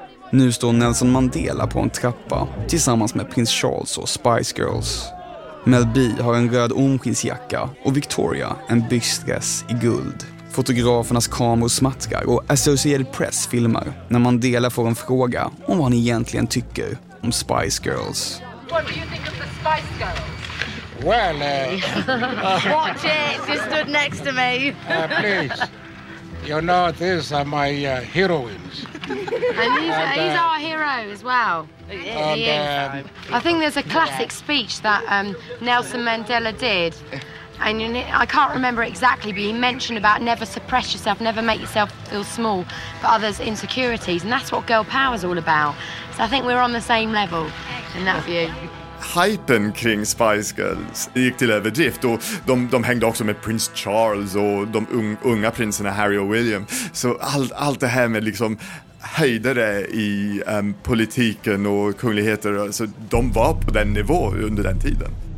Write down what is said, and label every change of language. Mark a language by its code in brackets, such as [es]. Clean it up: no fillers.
[sv] Nu står Nelson Mandela på en trappa tillsammans med prins Charles och Spice Girls. Mel B har en röd omskinsjacka och Victoria en byxdress i guld. Fotografernas kameror smattrar och Associated Press filmar när Mandela får en fråga om vad han egentligen tycker om Spice Girls. [en] What do you think of the Spice Girls? Well, watch it, you stood next to me. Please, you know these are my heroines. And he's our hero as well. I think there's a classic speech that Nelson Mandela did. And I can't remember exactly, but he mentioned about never suppress yourself, never make yourself feel small for others' insecurities. And that's what girl power is all about. So I think we're on the same level in that view. [sv] Hypen kring Spice Girls gick till överdrift och de hängde också med prins Charles och de unga prinserna Harry och William. Så allt det här med liksom höjdare i politiken och kungligheter, alltså, de var på den nivå under den tiden.